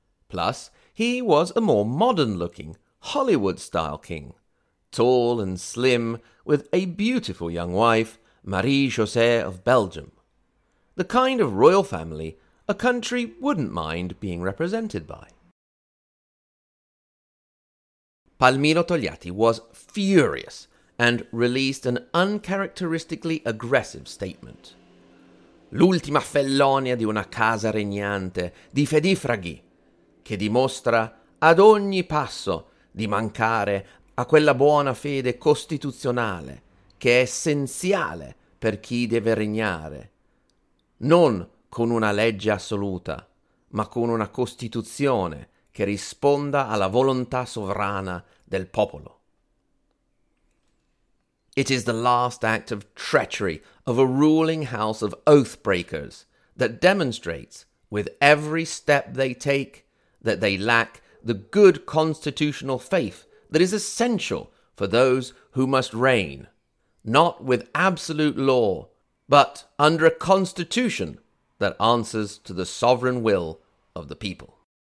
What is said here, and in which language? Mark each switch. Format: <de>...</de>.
<en>Plus, he was a more modern-looking, Hollywood-style king, tall and slim, with a beautiful young wife, Marie-Josée of Belgium, the kind of royal family a country wouldn't mind being represented by. Palmiro Togliatti was furious and released an uncharacteristically aggressive statement.</en> <it>L'ultima fellonia di una casa regnante di fedifraghi che dimostra ad ogni passo di mancare a quella buona fede costituzionale che è essenziale per chi deve regnare. Non con una legge assoluta, ma con una costituzione che risponda alla volontà sovrana del popolo.</it> <en>It is the last act of treachery of a ruling house of oath-breakers that demonstrates, with every step they take, that they lack the good constitutional faith that is essential for those who must reign, not with absolute law, but under a constitution that answers to the sovereign will of the people.</en>